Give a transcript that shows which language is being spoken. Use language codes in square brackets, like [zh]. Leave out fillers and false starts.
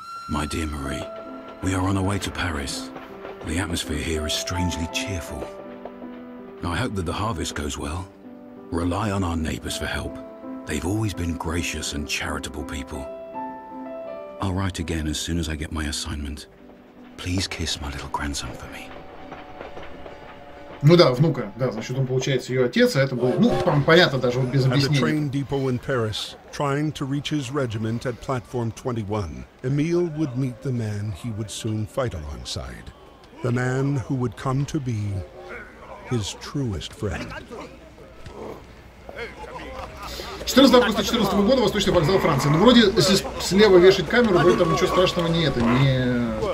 [en] My dear Marie, we are on our way to Paris. The atmosphere here is strangely cheerful. I hope that the harvest goes well. Rely on our neighbors for help. They've always been gracious and charitable people. I'll write again as soon as I get my assignment. Please kiss my little grandson for me. [ru] Ну да, внука, да, значит, он получается ее отец, а это было, ну, понятно даже без объяснений. [en] At the train depot in Paris, trying to reach his regiment at platform 21, Emile would meet the man he would soon fight alongside. The man who would come to be his truest friend. [ru] 14 августа 14 года, Восточный вокзал Франции. Ну, вроде, если слева вешать камеру, вроде там ничего страшного не это, не...